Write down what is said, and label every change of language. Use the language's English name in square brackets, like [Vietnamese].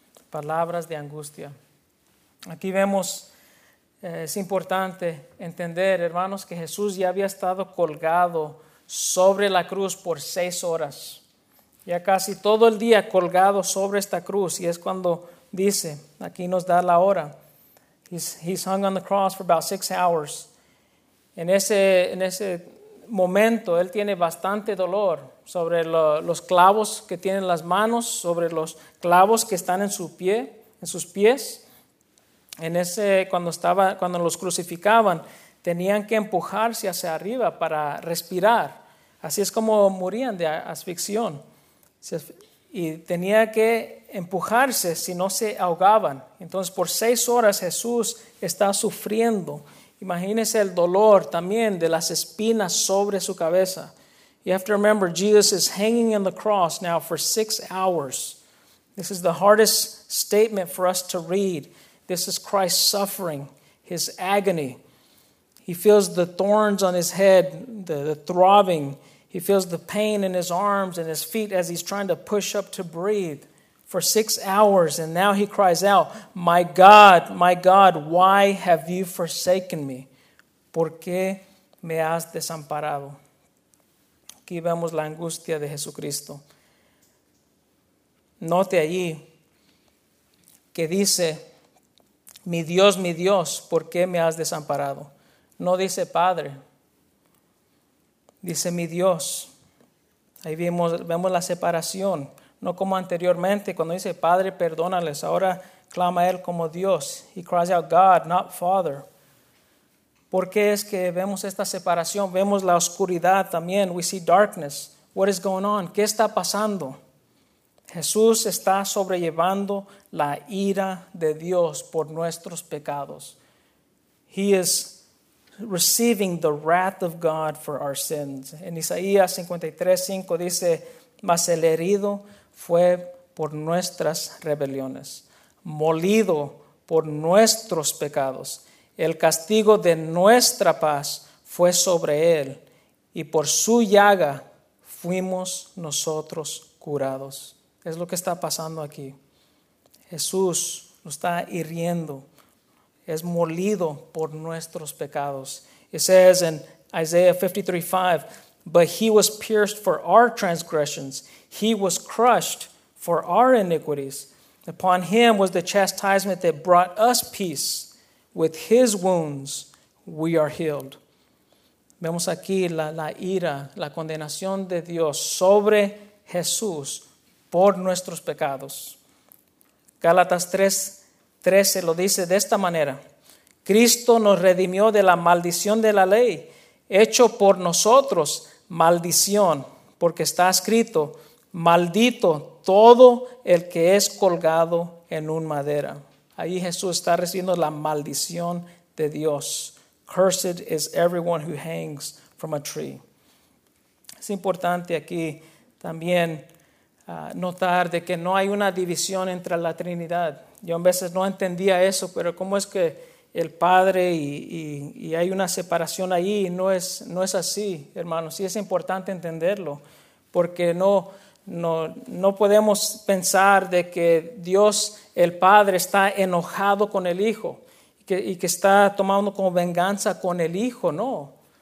[Spanish] Palabras de angustia. Aquí vemos, es importante entender, hermanos, que Jesús ya había estado colgado sobre la cruz por 6 horas. Ya casi todo el día colgado sobre esta cruz y es cuando dice, aquí nos da la hora. [English] He's hung on the cross for about 6 hours. [Spanish] En ese momento, él tiene bastante dolor sobre los clavos que tiene en las manos, sobre los clavos que están en sus pies. Cuando los crucificaban, tenían que empujarse hacia arriba para respirar. Así es como morían de asfixión. Y tenía que empujarse si no se ahogaban. Entonces, por 6 horas Jesús está sufriendo. Imagínese el dolor también de las espinas sobre su cabeza. [English] You have to remember, Jesus is hanging on the cross now for 6 hours. This is the hardest statement for us to read. This is Christ suffering, his agony. He feels the thorns on his head, the throbbing. He feels the pain in his arms and his feet as he's trying to push up to breathe for 6 hours. And now he cries out, my God, why have you forsaken me? [Spanish] ¿Por qué me has desamparado? Aquí vemos la angustia de Jesucristo. Note allí que dice, mi Dios, ¿por qué me has desamparado? No dice Padre. Dice mi Dios. Ahí vemos la separación. No como anteriormente, cuando dice Padre, perdónales. Ahora clama él como Dios. [English] He cries out, God, not Father. [Spanish] ¿Por qué es que vemos esta separación? Vemos la oscuridad también. [English] We see darkness. What is going on? [Spanish] ¿Qué está pasando? Jesús está sobrellevando la ira de Dios por nuestros pecados. [English] He is receiving the wrath of God for our sins. [Spanish] En Isaías 53:5 dice, mas el herido fue por nuestras rebeliones, molido por nuestros pecados. El castigo de nuestra paz fue sobre él, y por su llaga fuimos nosotros curados. Es lo que está pasando aquí. Jesús nos está hiriendo. Es molido por nuestros pecados. [English] It says in Isaiah 53:5, but he was pierced for our transgressions. He was crushed for our iniquities. Upon him was the chastisement that brought us peace. With his wounds we are healed. [Spanish] Vemos aquí la ira, la condenación de Dios sobre Jesús por nuestros pecados. Gálatas 3:13 lo dice de esta manera. Cristo nos redimió de la maldición de la ley, hecho por nosotros maldición, porque está escrito, maldito todo el que es colgado en un madera. Ahí Jesús está recibiendo la maldición de Dios. [English] Cursed is everyone who hangs from a tree. [Spanish] Es importante aquí también notar de que no hay una división entre la Trinidad. Yo a veces no entendía eso, pero ¿cómo es que el Padre y hay una separación ahí? No es así, hermanos. Sí es importante entenderlo, porque no podemos pensar de que Dios, el Padre, está enojado con el Hijo y que está tomando como venganza con el Hijo, no.